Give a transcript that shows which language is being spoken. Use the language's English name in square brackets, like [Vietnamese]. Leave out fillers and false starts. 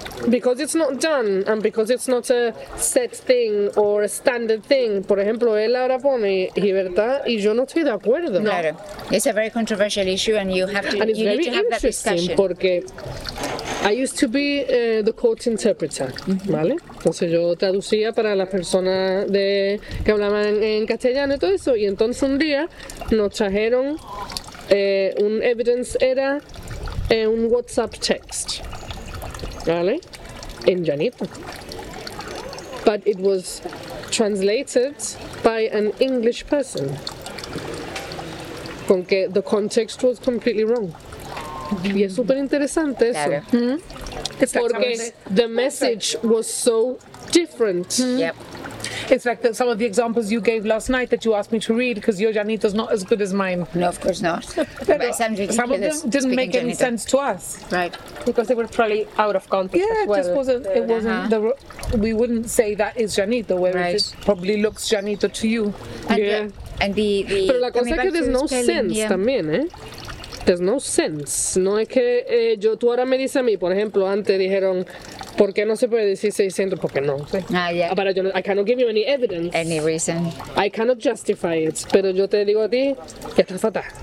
[English] Because it's not done, and because it's not a set thing or a standard thing. [Spanish] Por ejemplo, él ahora pone Hiberta y yo no estoy de acuerdo. No. Claro. [English] It's a very controversial issue, and you have to, you need to have that discussion. [Spanish] Porque [English] I used to be the court interpreter, [Spanish] ¿vale? Entonces yo traducía para las personas que hablaban en castellano y todo eso. Y entonces un día nos trajeron un evidence, era un WhatsApp text, ¿vale? En Janito. [English] But it was translated by an English person. [Spanish] Con que [English] the context was completely wrong. [Spanish] Y es súper interesante eso. Claro. [English] Porque the message was so different. Yep. It's like that some of the examples you gave last night that you asked me to read, because your Janito's not as good as mine. No, of course not. Some of them didn't make any sense to us. Right. Because they were probably out of context as well. Yeah, we wouldn't say that is Janito, whereas it probably looks Janito to you. And the [Spanish] pero la cosa es que [English] there's no sense [Spanish] también, ¿eh? [English] There's no sense. [Spanish] No es que yo, tú ahora me dices a mí, por ejemplo, antes dijeron, ¿por qué no se puede decir 600? Porque no. Pero [English] yo I cannot give you any evidence. Any reason. I cannot justify it. [Spanish] Pero yo te digo a ti que está fatal.